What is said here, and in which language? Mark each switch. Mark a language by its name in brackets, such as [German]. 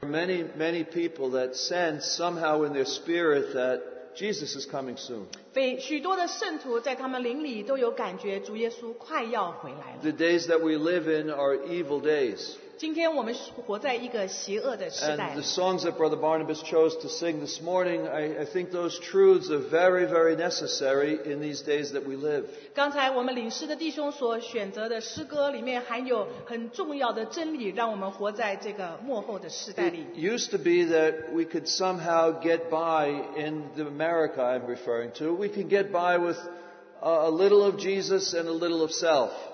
[English] many, many people that sense somehow in their spirit that Jesus is coming soon. [Chinese] 许多的圣徒在他们灵里都有感觉主耶稣快要回来了。 [English] The days that we live in are evil days. [Chinese] 今天我们活在一个邪恶的时代。 [English] And the songs that Brother Barnabas chose to sing this morning, I think those truths are very, very necessary in these days that we live. [Chinese] 刚才我们领事的弟兄所选择的诗歌里面含有很重要的真理，让我们活在这个末后的时代里。 [English] It used to be that we could somehow get by in the America I'm referring to. We can get by with a little of Jesus and a little of self.